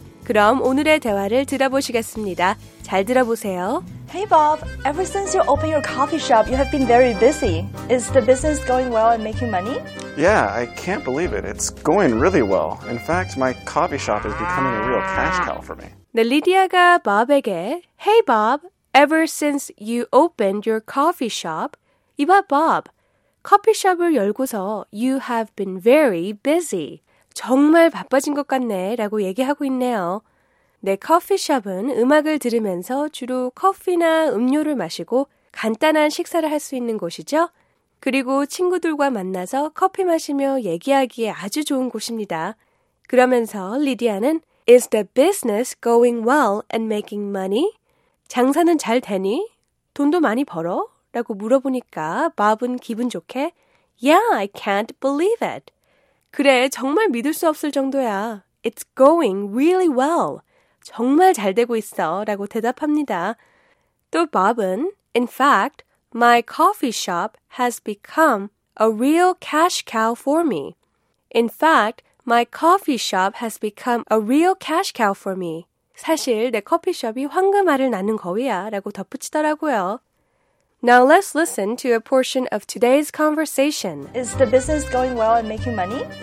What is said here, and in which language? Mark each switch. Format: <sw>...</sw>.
<ko>그럼 오늘의 대화를 들어보시겠습니다. 잘 들어보세요.</ko> <en>Hey, Bob. Ever since you opened your coffee shop, you have been very busy. Is the business going well and making money? Yeah, I can't believe it. It's going really well. In fact, my coffee shop is becoming a real cash cow for me.</en> <ko>네, 리디아가 Bob에게,</ko> <en>Hey, Bob. Ever since you opened your coffee shop,</en> <ko>이봐,</ko> <en>Bob.</en> <ko>커피숍을 열고서</ko> <en>you have been very busy.</en> <ko>정말 바빠진 것 같네 라고 얘기하고 있네요. 내 커피숍은 음악을 들으면서 주로 커피나 음료를 마시고 간단한 식사를 할 수 있는 곳이죠. 그리고 친구들과 만나서 커피 마시며 얘기하기에 아주 좋은 곳입니다. 그러면서 리디아는</ko> <en>Is the business going well and making money?</en> <ko>장사는 잘 되니? 돈도 많이 벌어? 라고 물어보니까 밥은 기분 좋게</ko> <en>Yeah, I can't believe it.</en> <ko>그래, 정말 믿을 수 없을 정도야.</ko> <en>It's going really well.</en> <ko>정말 잘 되고 있어 라고 대답합니다. 또 밥은</ko> <en>In fact, my coffee shop has become a real cash cow for me. In fact, my coffee shop has become a real cash cow for me.</en> <ko>사실 내 커피숍이 황금알을 낳는 거위야 라고 덧붙이더라고요.</ko> <en>Now let's listen to a portion of today's conversation. Is the business going well and making money?</en>